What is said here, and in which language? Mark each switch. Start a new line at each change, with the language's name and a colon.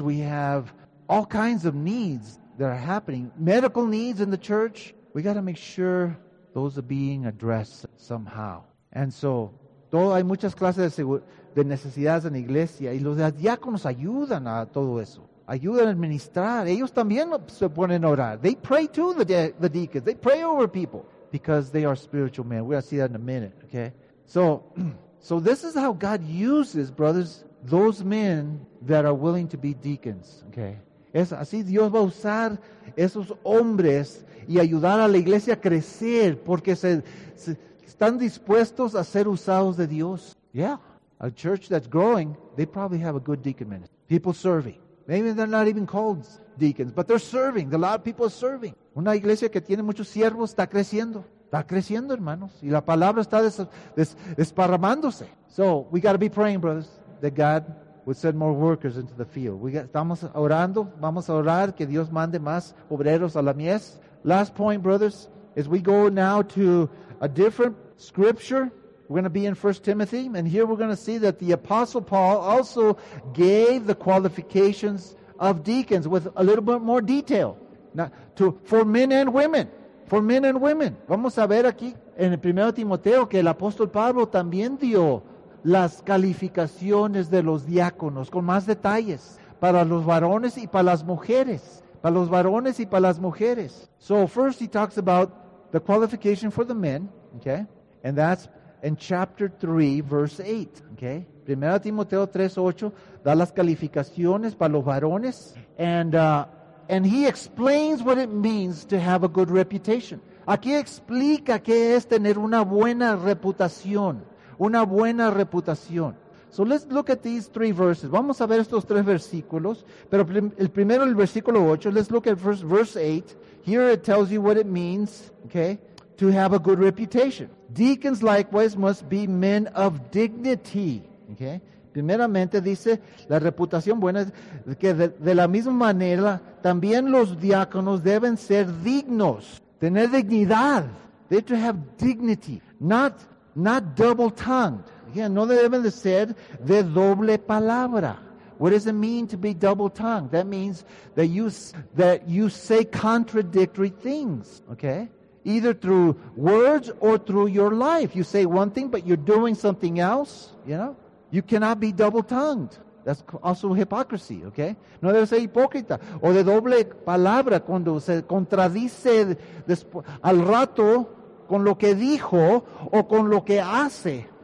English: We have all kinds of needs that are happening. Medical needs in the church. We got to make sure those are being addressed somehow. And so,
Spanish: hay muchas clases de necesidades en la iglesia y los diáconos ayudan a todo eso. Ayudan a administrar. Ellos también se ponen a orar.
English: They pray too, the deacons. They pray over people because they are spiritual men. We're going to see that in a minute, okay? So this is how God uses, brothers, those men that are willing to be deacons, okay?
Spanish: Es así Dios va a usar esos hombres y ayudar a la iglesia a crecer porque están dispuestos a ser usados de Dios.
English: Yeah. A church that's growing, they probably have a good deacon ministry. People serving. Maybe they're not even called deacons, but they're serving. A lot of people are serving.
Spanish: Una iglesia que tiene muchos siervos está creciendo. Está creciendo, hermanos. Y la palabra está desparramándose.
English: So, we got to be praying, brothers, that God would send more workers into the field.
Spanish: Estamos orando. Vamos a orar que Dios mande más obreros a la mies.
English: Last point, brothers, is we go now to a different scripture. We're going to be in 1 Timothy, and here we're going to see that the Apostle Paul also gave the qualifications of deacons with a little bit more detail. Now, for men and women. For men and women.
Spanish: Vamos a ver aquí en el 1 Timoteo que el Apóstol Pablo también dio las calificaciones de los diáconos con más detalles para los varones y para las mujeres. Para los varones y para las mujeres.
English: So, first he talks about the qualification for the men, okay? And that's in chapter 3, verse 8, okay?
Spanish: Primera Timoteo 3:8 da las calificaciones para los varones.
English: And he explains what it means to have a good reputation.
Spanish: Aquí explica qué es tener una buena reputación. Una buena reputación.
English: So let's look at these three verses.
Spanish: Vamos a ver estos tres versículos. Pero el primero, el versículo 8,
English: let's look at verse 8. Here it tells you what it means, okay, to have a good reputation. Deacons likewise must be men of dignity, okay?
Spanish: Primeramente dice, la reputación buena es que de la misma manera también los diáconos deben ser dignos, tener dignidad,
English: they to have dignity, not double-tongued.
Spanish: Yeah, no deben de ser de doble palabra.
English: What does it mean to be double-tongued? That means that you say contradictory things, okay? Either through words or through your life. You say one thing, but you're doing something else, you know? You cannot be double-tongued. That's also hypocrisy, okay?
Spanish: No debe ser hipócrita. O de doble palabra, cuando se contradice al rato con lo que dijo o con lo que hace.